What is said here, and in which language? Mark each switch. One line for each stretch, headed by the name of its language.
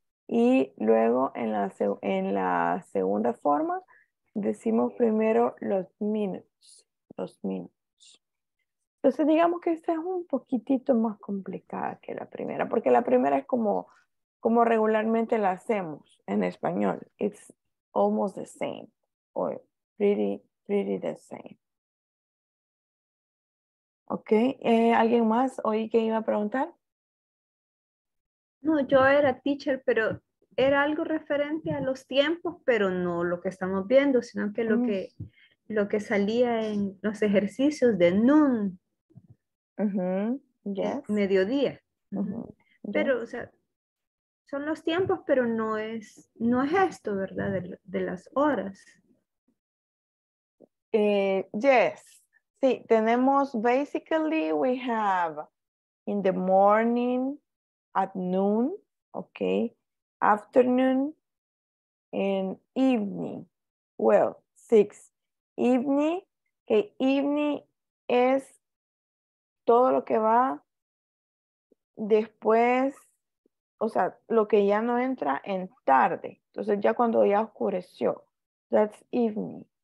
Spanish: Y luego en la segunda forma, decimos primero los minutes. Entonces digamos que esta es un poquitito más complicada que la primera, porque la primera es como regularmente la hacemos en español.
English: It's almost the same, or pretty the same.
Spanish: Ok, ¿alguien más oí que iba a preguntar? No, yo era teacher, pero era algo referente a los tiempos, pero no lo que estamos viendo, sino que lo que salía en los ejercicios de noon.
English: Yes.
Spanish: Mediodía. Yes. Pero, o sea, son los tiempos, pero no es esto, ¿verdad? De las horas.
English: Yes.
Spanish: Sí, tenemos,
English: basically, we have in the morning, at noon, okay, afternoon, and evening. Well, 6.
Spanish: Evening, okay, evening es todo lo que va después, o sea, lo que ya no entra en tarde. Entonces, ya cuando ya oscureció,
English: that's evening.